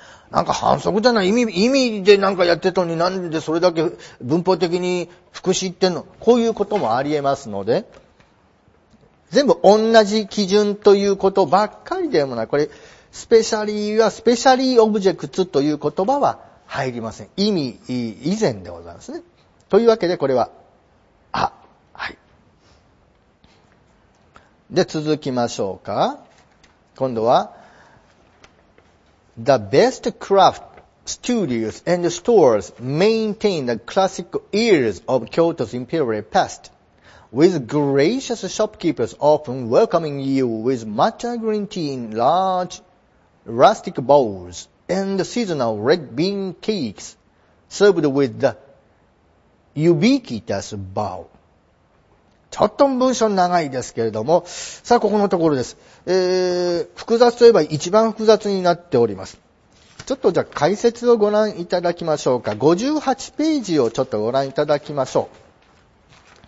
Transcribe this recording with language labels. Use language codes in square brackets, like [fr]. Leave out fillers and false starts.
[ja] なんか反則じゃない、意味でなんかやってたのに、なんでそれだけ文法的に副詞言ってんの、こういうこともありえますので、全部同じ基準ということばっかりでもない。これ、スペシャリーはスペシャリーオブジェクツという言葉は、入りません。意味以前でございますね。というわけでこれは、あ、はい。で、続きましょうか。 [en] 今度は、The best craft studios and stores maintain the classic ears of Kyoto's imperial past, with gracious shopkeepers often welcoming you with matcha green tea in large rustic bowls. And seasonal red bean cakes served with the ubiquitous bow. [ja] ちょっと文章長いですけれども、さあここのところです。複雑といえば一番複雑になっております。ちょっとじゃあ解説をご覧いただきましょうか。 58ページをちょっとご覧いただきましょう。